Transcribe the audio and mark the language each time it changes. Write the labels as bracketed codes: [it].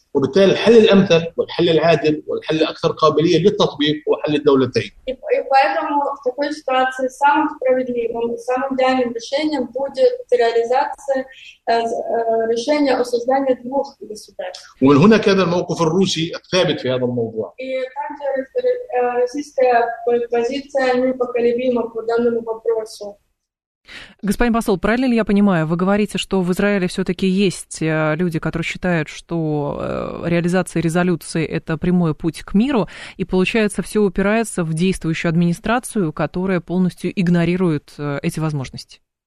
[ar] وبالتالي الحل الأمثل والحل العادل والحل الأكثر قابلية للتطبيق هو حل الدولتين. [ru] И поэтому в такой ситуации самым справедливым, самым идеальным решением будет реализация решения о создании двух государств. [ar] ومن هنا كان الموقف الروسي الثابت في هذا الموضوع. [ru] И также российская позиция непоколебима по данному вопросу. Господин посол, правильно ли я понимаю, вы говорите, что в Израиле все-таки есть люди, которые считают, что реализация резолюции – это прямой путь к миру, и получается, все упирается в действующую администрацию, которая полностью игнорирует эти возможности?